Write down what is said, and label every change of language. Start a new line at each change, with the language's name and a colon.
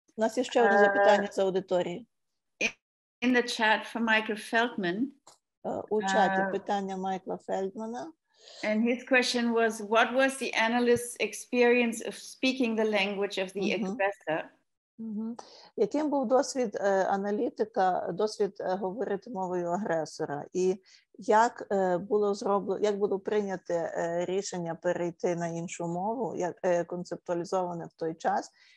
Ukrainian: У нас є ще одне запитання з аудиторії.
English: In the chat from Michael Feldman.
Ukrainian: У чаті питання Майкла Фельдмана.
English: And his question was, what was the analyst's experience of speaking the language of the aggressor?
Ukrainian: Яким був досвід аналітика, досвід говорити мовою агресора? І як було зроблено, як було прийнято рішення перейти на іншу мову, як концептуалізоване в той час?